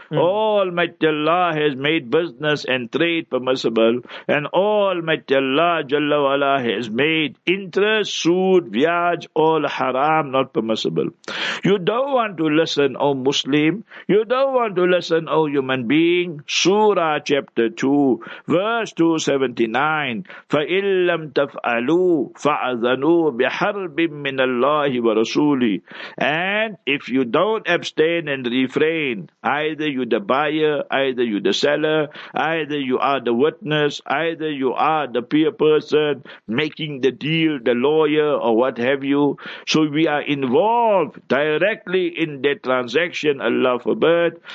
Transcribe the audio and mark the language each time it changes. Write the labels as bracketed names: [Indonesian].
[English] Almighty Allah has made business and trade permissible, and Almighty Allah Jalla Wala has made interest, sood, viaj, all haram, not permissible. You don't want to listen, O Muslim. You don't want to listen, O human being. Surah chapter 2, verse 279. [Arabic] فَإِلَّمْ تَفْعَلْ فعلوا فأذنوا بحرب من الله ورسوله. [English] And if you don't abstain and refrain, either you're the buyer, either you're the seller, either you are the witness, either you are the peer person making the deal, the lawyer or what have you. So we are involved directly in the transaction, Allah forbid.